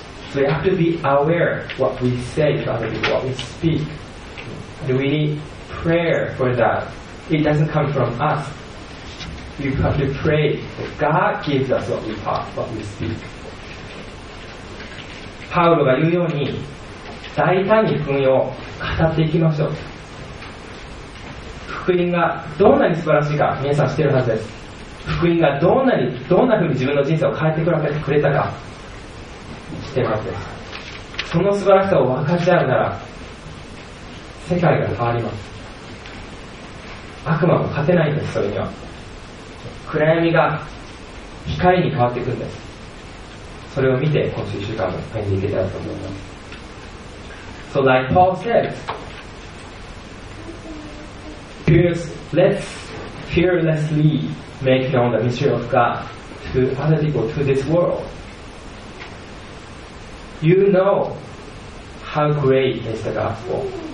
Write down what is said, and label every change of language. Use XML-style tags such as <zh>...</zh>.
<en>So we have to be aware what we say to other people, what we speak. And we need prayer for that. It doesn't come from us. We have to pray that God gives us what we talk, what we speak.</en> <ja>パウロが言うように大胆に福音を語っていきましょう。福音がどんなに素晴らしいか皆さん知っているはずです。福音がどんなふうに自分の人生を変えてくれたか知っているはずです。その素晴らしさを分かち合うなら世界が変わります。悪魔も勝てないんです。それには暗闇が光に変わっていくんです。それを見て今週1週間も会いに行けたらと思います。</ja> <en>So like Paul says, let's fearlessly make known the mystery of God to other people, to this world. You know how great is the gospel.</en>